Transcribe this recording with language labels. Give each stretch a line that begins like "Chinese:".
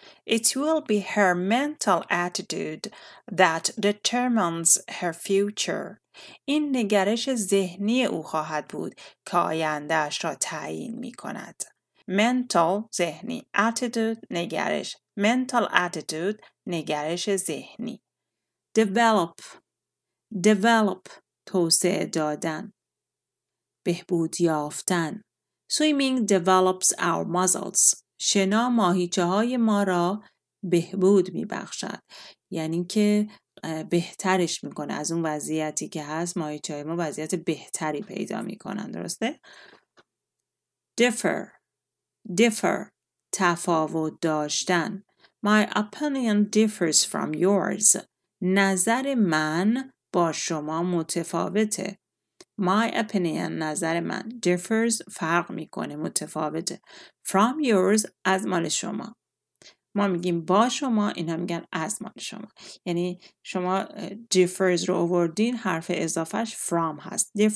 English: It will be her mental attitude that determines her future.
Persian: این نگرش ذهنی او خواهد بود که آینده‌اش را تعیین می‌کند. Mental، ذهنی. Attitude، نگرش.
English: Mental attitude،
Persian: نگرش ذهنی.
English: Develop
Persian: develop توسعه دادن، بهبود یافتن.
English: Swimming develops our muscles.
Persian: شنا ماهیچه‌های ما را بهبود می‌بخشد. یعنی که بهترش می‌کنه. از اون وضعیتی که هست ماهیچه‌های ما وضعیت بهتری پیدا می‌کنن، درسته؟ Differ تفاوت داشتن.
English: My opinion differs from yours.
Persian: نظر من با شما متفاوته.
English: My opinion
Persian: نظر من differs فرق میکنه، متفاوته.
English: From yours
Persian: از مال شما. ما میگیم با شما، اینا میگن از مال شما. یعنی شما differs رو آوردین، حرف اضافهش from هست.